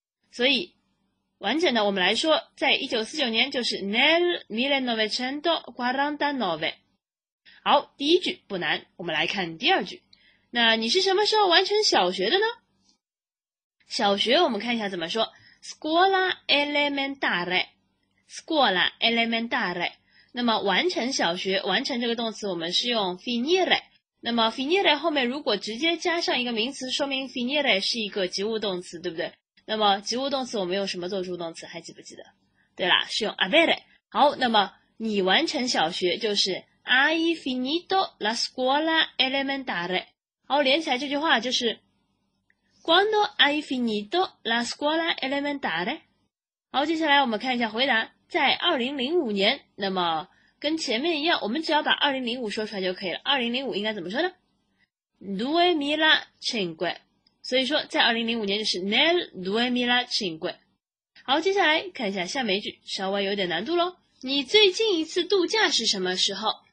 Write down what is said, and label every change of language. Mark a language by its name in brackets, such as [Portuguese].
[Chinese] 所以完整的我们来说，在1949年就是 [Italian] nel 1949。 [Chinese] 好，第一句不难，我们来看第二句。那你是什么时候完成小学的呢？小学我们看一下怎么说。 [Italian] scuola elementare, scuola elementare。 [Chinese] 那么完成小学，完成这个动词我们是用 finire。那么 finire 后面如果直接加上一个名词，说明 finire 是一个及物动词，对不对？那么及物动词我们用什么做助动词，还记不记得？对啦，是用 avere。好，那么你完成小学就是 [Italian] hai finito la scuola elementare。 [Chinese] 好，连起来这句话就是 [Italian] quando hai finito la scuola elementare。 [Chinese] 好，接下来我们看一下回答。在2005年，那么跟前面一样，我们只要把2005说出来就可以了。 2005应该怎么说呢？2005, 所以说在2005年就是 [Italian] nel 2005。 [Chinese] 好，接下来看一下下面一句，稍微有点难度咯。你最近一次度假是什么时候？